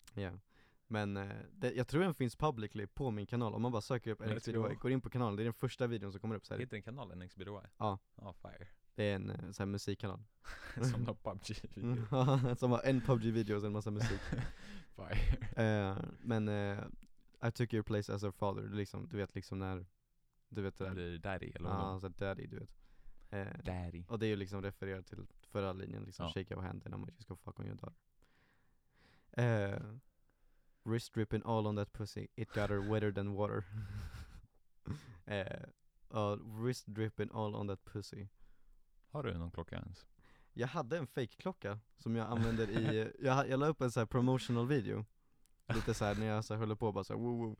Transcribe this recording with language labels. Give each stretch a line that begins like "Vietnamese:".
Swedish: Ja. Yeah. Men jag tror den finns publicly på min kanal. Om man bara söker upp NXBDY, går in på kanalen, det är den första videon som kommer upp. Heter den kanal NXBDY? Ja.
English: Oh, fire.
Swedish: Det är en sån här musikkanal. Som har PUBG-video. Som har en PUBG-video och en massa musik.
English: Fire. Men I took your place as a father.
Swedish: Liksom, du vet liksom när... Du vet det där. Blir daddy eller vad? Ja, så daddy, du vet.
English: Daddy.
Swedish: Och det är ju liksom refererat till förra linjen. Liksom, ja.
English: Shake your hand
Swedish: när man
English: just go fuck on your daughter. Wrist dripping all on that pussy. It got her wetter than water. wrist dripping all on that pussy.
Swedish: Har du någon klocka ens? Jag hade en fake klocka som jag använder i... Jag la upp en så här promotional video. Lite så här när jag så här höll på och bara så här, woo, woo.